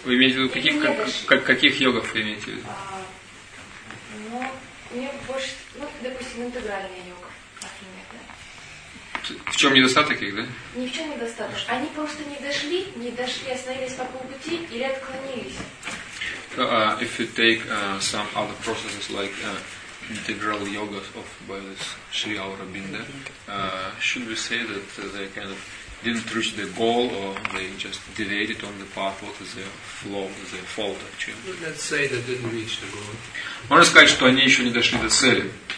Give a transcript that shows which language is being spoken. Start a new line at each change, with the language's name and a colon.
Russian: Вы имеете в виду, каких йогов вы имеете в виду? Ну, мне больше, ну, допустим, интегральный йога, например, да? В чем недостаток их, да? Ни в чем недостаток. Они просто не дошли, остановились по полпути или отклонились?
English: If you take some other processes like integral yoga of by this Sri Aurobindo, should we say that they kind of didn't reach the goal or they just deviated on the path? What is their flaw? Is their fault actually? Let's say they didn't reach the goal.
Russian: Можно сказать, что они еще не дошли до цели.